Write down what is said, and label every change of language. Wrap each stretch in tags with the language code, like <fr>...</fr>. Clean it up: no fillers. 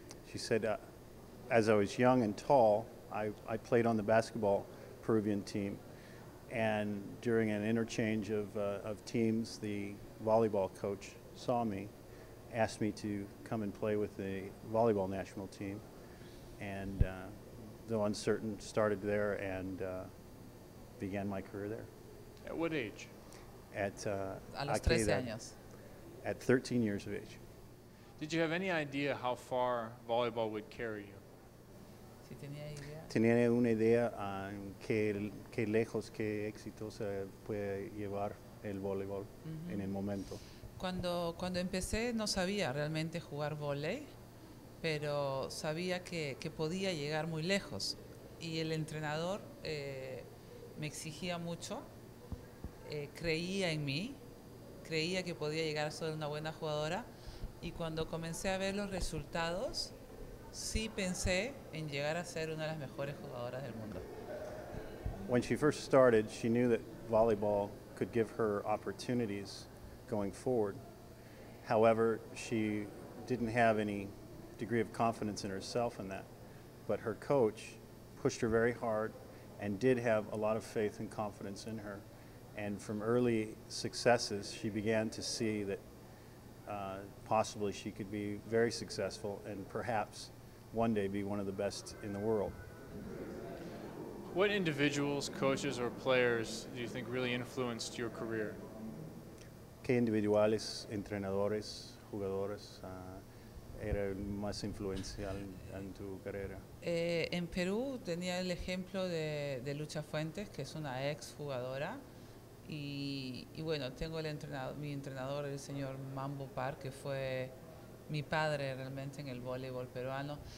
<en>She said, as I was young and tall, I played on the basketball Peruvian team, and during an interchange of teams, the volleyball coach saw me, asked me to come and play with the volleyball national team, and the uncertain started there and began my career there. At what age? At 13 years of age. Did you have any idea how far volleyball would carry you?</en> <es>Tenía una idea qué lejos, qué exitosa puede llevar el voleibol en el momento. Cuando empecé no sabía realmente jugar vóley, pero sabía que podía llegar muy lejos. Y el entrenador me exigía mucho, creía en mí, creía que podía llegar a ser una buena jugadora. Y cuando comencé a ver los resultados, sí pensé en llegar a ser una de las mejores jugadoras del mundo.</es> <en>When she first started, she knew that volleyball could give her opportunities going forward. However, she didn't have any degree of confidence in herself in that. But her coach pushed her very hard and did have a lot of faith and confidence in her. And from early successes, she began to see that possibly she could be very successful and perhaps one day be one of the best in the world. What individuals, coaches, or players do you think really influenced your career?</en> <es>¿Qué individuales, entrenadores, jugadores era más influencial en tu carrera? En Perú tenía el ejemplo de Lucha Fuentes, que es una ex jugadora. Y bueno, tengo mi entrenador, el señor Mambo Par, que fue mi padre realmente en el voleibol peruano.</es>